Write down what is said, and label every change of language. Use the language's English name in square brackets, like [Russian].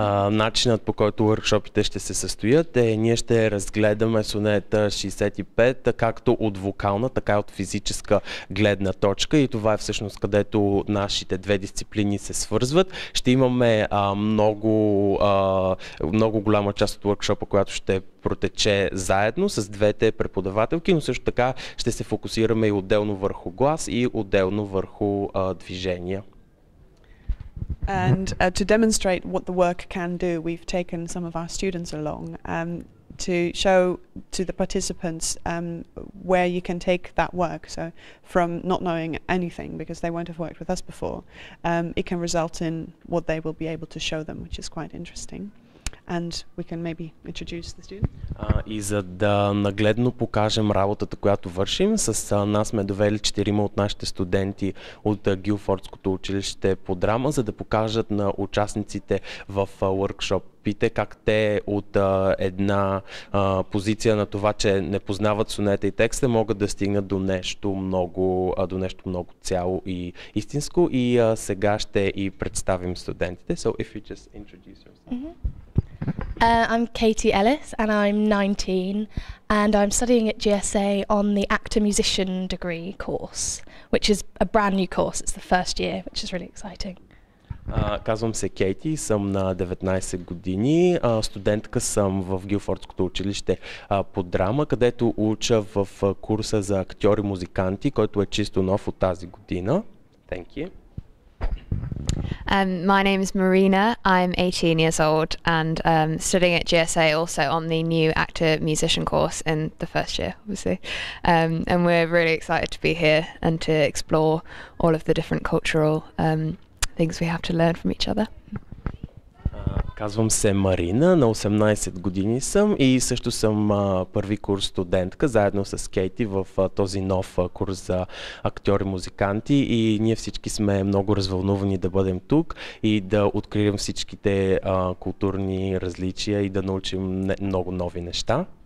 [Bulgarian] Начинът, по който уъркшопите ще се състоят, е ние ще разгледаме сонета 65, както от вокална, така и от физическа гледна точка, и това е всъщност където нашите две дисциплини се свързват. Ще имаме много голяма част от уъркшопа, която ще протече заедно с двете преподавателки, но също така ще се фокусираме и отделно върху глас и отделно върху движения. [English] And to demonstrate what the work can do, we've taken some of our students along to show to the participants where you can take that work. So from not knowing anything, because they won't have worked with us before, it can result in what they will be able to show them, which is quite interesting. And we can maybe introduce the student. [Bulgarian] И за да нагледно покажем работата, която вършим, с нас сме довели четирима от нашите студенти от Гилфордското училище по драма, за да покажат на участниците в уъркшопите как те от една позиция на това, че не познават сонета и текста, могат да стигнат до нещо много, до нещо много цяло и истинско. И сега ще и представим студентите. [English] So if you just introduce yourself. Mm-hmm. I'm Katie Ellis and I'm 19 and I'm studying at GSA on the actor-musician degree course, which is a brand new course, it's the first year, which is really exciting. [Bulgarian] Казвам се Кейти, съм на 19 години, студентка съм в Гилфордското училище по драма, където уча в курса за актьори-музиканти, който е чисто нов от тази година. [English] Thank you. My name is Marina. I'm 18 years old and studying at GSA also on the new actor musician course in the first year, obviously. And we're really excited to be here and to explore all of the different cultural things we have to learn from each other. [Bulgarian] Казвам се Марина, на 18 години съм и също съм първи курс студентка, заедно с Кейти в този нов курс за актьори-музиканти, и ние всички сме много развълнувани да бъдем тук и да открием всичките културни различия и да научим много нови неща.